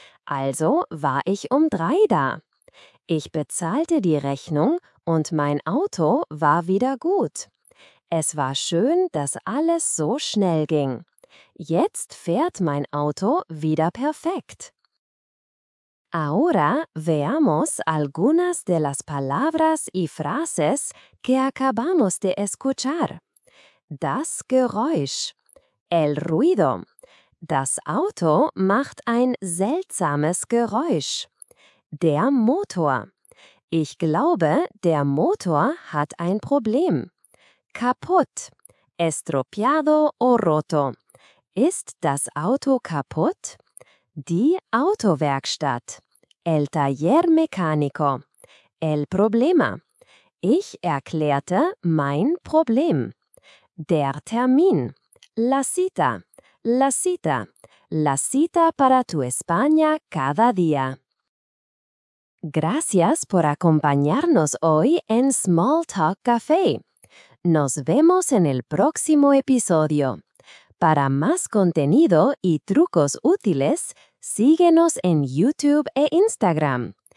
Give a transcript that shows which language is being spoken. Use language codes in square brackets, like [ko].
[de] Also war ich um 3 da. Ich bezahlte die Rechnung und mein Auto war wieder gut. Es war schön, dass alles so schnell ging. Jetzt fährt mein Auto wieder perfekt. [es] Ahora veamos algunas de las palabras y frases que acabamos de escuchar. [de] Das Geräusch. [es] El ruido. [de] Das Auto macht ein seltsames Geräusch. Der Motor. Ich glaube, der Motor hat ein Problem. [es] Kaputt. Estropeado o roto. [de] Ist das Auto kaputt? Die Autowerkstatt. [es] El taller mecánico. El problema. [de] Ich erklärte mein Problem. Der Termin. [es] La cita. La cita. La cita para tu España cada día. Gracias por acompañarnos hoy en Small Talk Café. Nos vemos en el próximo episodio. Para más contenido y trucos útiles, síguenos en YouTube e Instagram.